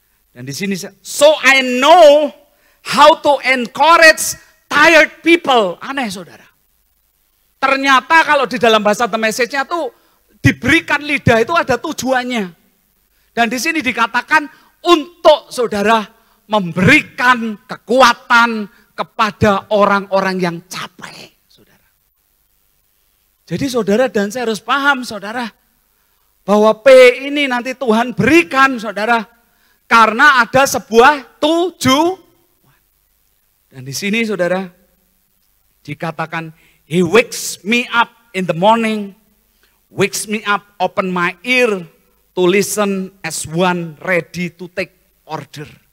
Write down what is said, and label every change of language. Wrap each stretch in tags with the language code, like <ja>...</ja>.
<id>Dan di sini,</id> <en>so I know how to encourage tired people.</en> <id>Aneh, saudara. Ternyata kalau di dalam bahasa The Message-nya tuh diberikan lidah itu ada tujuannya. Dan di sini dikatakan untuk, saudara, memberikan kekuatan kepada orang-orang yang capek. Jadi saudara dan saya harus paham, saudara, bahwa P ini nanti Tuhan berikan, saudara, karena ada sebuah tujuan. Dan di sini, saudara,</id> <en>Dikatakan, he wakes me up in the morning, wakes me up, open my ear to listen as one ready to take order.</en>